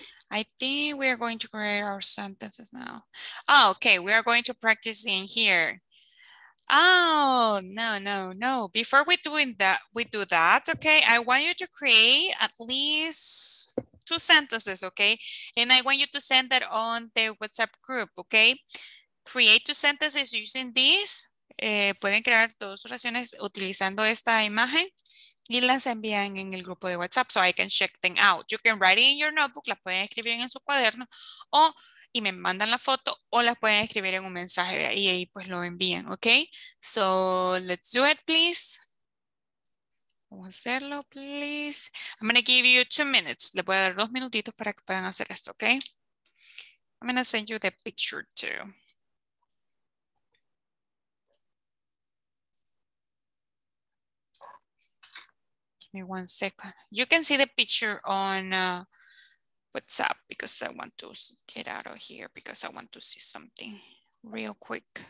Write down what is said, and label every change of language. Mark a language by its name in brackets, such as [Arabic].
[English] I think we are going to create our sentences now. Oh, okay, we are going to practice in here. Oh, no. Before we do that, okay, I want you to create at least two sentences, okay? And I want you to send that on the WhatsApp group, okay? Create two sentences using this. [Spanish] Pueden crear dos oraciones utilizando esta imagen y las envían en el grupo de WhatsApp [English] so I can check them out. You can write it in your notebook, [Spanish] las pueden escribir en su cuaderno o y me mandan la foto o las pueden escribir en un mensaje de ahí y ahí pues lo envían, ¿ok? [English] So, let's do it, please. [Spanish] Vamos a hacerlo, [English] please. I'm going to give you 2 minutes. [Spanish] Les voy a dar 2 minutitos para que puedan hacer esto, ¿ok? [English] I'm going to send you the picture too. Give me 1 second. You can see the picture on WhatsApp, because I want to get out of here because I want to see something real quick.